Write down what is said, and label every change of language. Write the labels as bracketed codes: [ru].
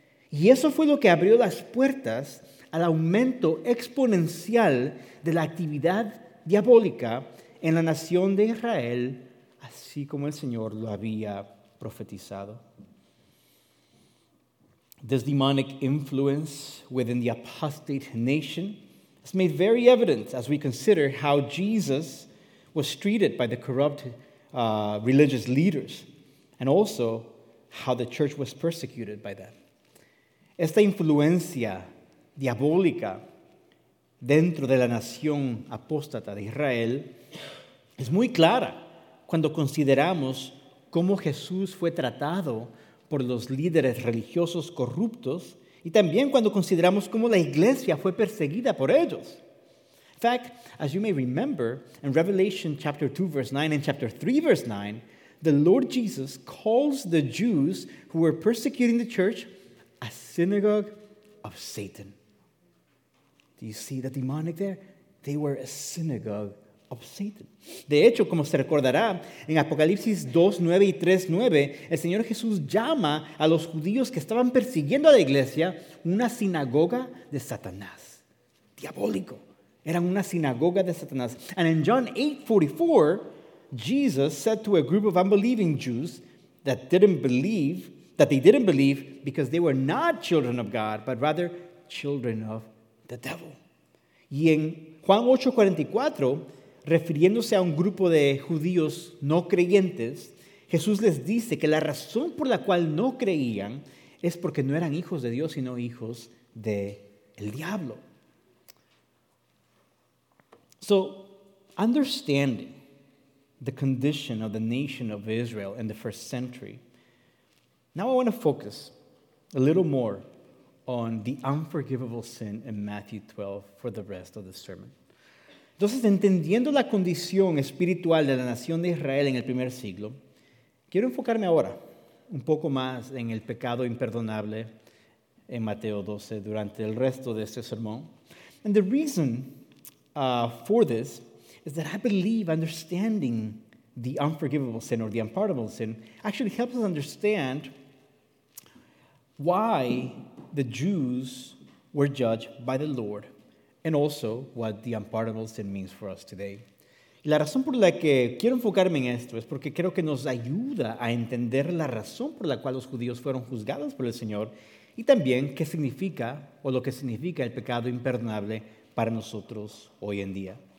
[es] Y eso fue lo que abrió las puertas al aumento exponencial de la actividad diabólica en la nación de Israel, así como el Señor lo había profetizado. [en] This demonic influence within the apostate nation is made very evident as we consider how Jesus was treated by the corrupt religious leaders, and also how the church was persecuted by them. [es] Esta influencia diabólica dentro de la nación apóstata de Israel es muy clara cuando consideramos cómo Jesús fue tratado por los líderes religiosos corruptos y también cuando consideramos cómo la iglesia fue perseguida por ellos. [en] In fact, as you may remember, in Revelation chapter 2 verse 9 and chapter 3 verse 9, the Lord Jesus calls the Jews who were persecuting the church a synagogue of Satan. Do you see the demonic there? They were a synagogue of Satan. [es] De hecho, como se recordará, en Apocalipsis 2:9 y 3:9, el Señor Jesús llama a los judíos que estaban persiguiendo a la iglesia una sinagoga de Satanás. Diabólico. Eran una sinagoga de Satanás. [en] And in John 8:44, Jesus said to a group of unbelieving Jews that they didn't believe because they were not children of God, but rather children of the devil. [es] Y en Juan 8:44, refiriéndose a un grupo de judíos no creyentes, Jesús les dice que la razón por la cual no creían es porque no eran hijos de Dios, sino hijos del diablo. [en] So, understanding the condition of the nation of Israel in the first century, now I want to focus a little more on the unforgivable sin in Matthew 12 for the rest of the sermon. [es] Entonces, entendiendo la condición espiritual de la nación de Israel en el primer siglo, quiero enfocarme ahora un poco más en el pecado imperdonable en Mateo 12 durante el resto de este sermón. [en] And the reason for this is that I believe understanding the unforgivable sin or the unpardonable sin actually helps us understand why the Jews were judged by the Lord, and also what the unpardonable sin means for us today. [es] Y la razón por la que quiero enfocarme en esto es porque creo que nos ayuda a entender la razón por la cual los judíos fueron juzgados por el Señor y también qué significa o lo que significa el pecado imperdonable para nosotros hoy en día.